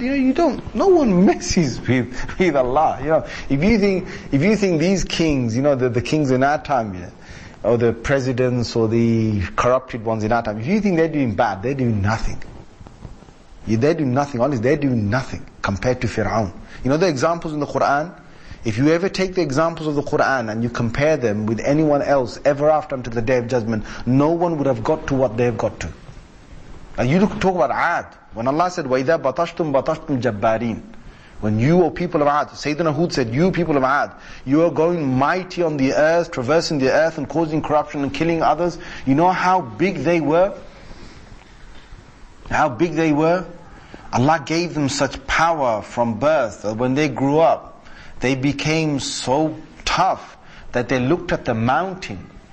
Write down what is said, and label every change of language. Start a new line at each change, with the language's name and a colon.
English: You know, no one messes with Allah. You know, if you think these kings, you know, the kings in our time, yeah, or the presidents or the corrupted ones in our time, if you think they're doing bad, they're doing nothing. They're doing nothing compared to Fir'aun. You know the examples in the Qur'an? If you ever take the examples of the Qur'an and you compare them with anyone else ever after until the Day of Judgment, no one would have got to what they've got to. And you talk about Aad. When Allah said,
Arabic: وَإِذَا بَطَشْتُمْ بَطَشْتُمْ جَبَّارِينَ.
English: When you, O people of Aad, Sayyidina Hud said, you people of Aad, you are going mighty on the earth, traversing the earth and causing corruption and killing others. You know how big they were? How big they were? Allah gave them such power from birth that when they grew up, they became so tough that they looked at the mountain.